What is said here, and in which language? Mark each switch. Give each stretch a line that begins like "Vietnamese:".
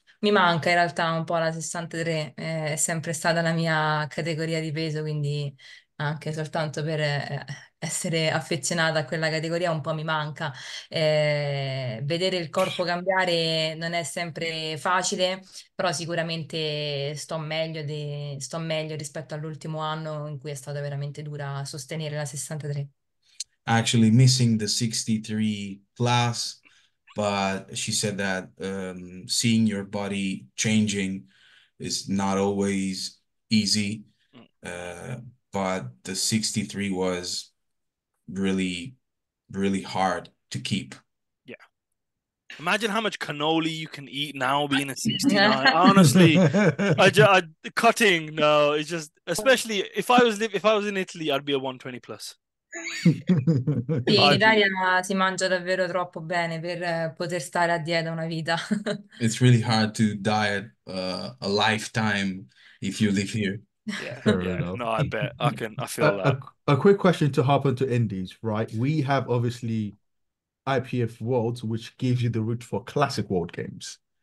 Italian: Mi manca in realtà un po' la 63, è sempre stata la mia categoria di peso, quindi anche soltanto per essere affezionata a quella categoria un po' mi manca. Vedere il corpo cambiare non è sempre facile, però sicuramente sto meglio rispetto all'ultimo anno in cui è stata veramente dura sostenere la 63.
English: Actually missing the 63 plus. But she said that seeing your body changing is not always easy. But the 63 was really, really hard to keep. Yeah. Imagine how much cannoli you can eat now being a 69. Honestly, it's just, especially if I was in Italy, I'd be a 120 plus.
Italian: Sì, in Italia si mangia davvero troppo bene per poter stare a dieta una vita.
English: It's really hard to diet a lifetime if you live here. Yeah. No, I bet. I feel that. A quick question to hop into Indies, right? We have obviously IPF Worlds, which gives you the route for classic World Games.